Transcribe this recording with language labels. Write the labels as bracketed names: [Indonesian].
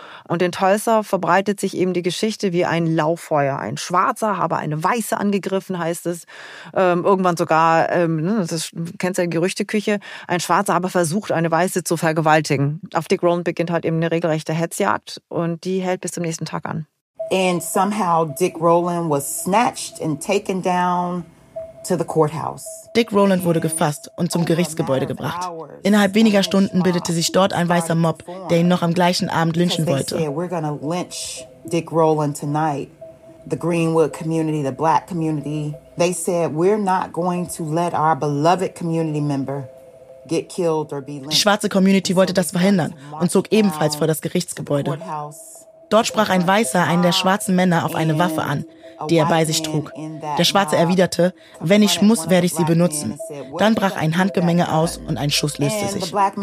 [German] Und in Tulsa verbreitet sich eben die Geschichte wie ein Lauffeuer. Ein Schwarzer habe eine Weiße angegriffen, heißt es. Irgendwann sogar, das kennst du ja, Gerüchteküche, ein Schwarzer habe versucht, eine Weiße zu vergewaltigen. Auf Dick Rowland beginnt halt eben eine regelrechte Hetzjagd und die hält bis zum nächsten Tag an. [English] And somehow Dick Rowland was snatched and taken down to the courthouse. [German] Dick Rowland wurde gefasst und zum Gerichtsgebäude gebracht. Innerhalb weniger Stunden bildete sich dort ein weißer Mob, der ihn noch am gleichen Abend lynchen wollte. [English] We're gonna lynch Dick Rowland tonight. The Greenwood community, the black community, they said we're not going to let our beloved community member get killed or be lynched. [German] Die schwarze Community wollte das verhindern und zog ebenfalls vor das Gerichtsgebäude. Dort sprach ein Weißer einen der schwarzen Männer auf eine Waffe an, die er bei sich trug. Der Schwarze erwiderte, wenn ich muss, werde ich sie benutzen. Dann brach ein Handgemenge aus und ein Schuss löste sich.